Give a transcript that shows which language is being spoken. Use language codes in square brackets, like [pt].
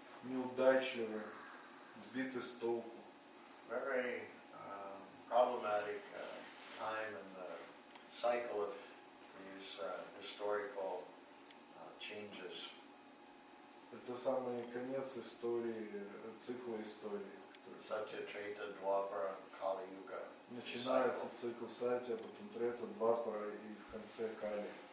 [ru] неудачливы, сбиты с толку. [en] Very problematic time in the cycle of these historical changes. [ru] Это самый конец истории, цикла истории. [en] Satya Treta Dwapara Kali Yuga. [ru] Начинается цикл Сатья, потом Трета, Двапара и в конце Кали.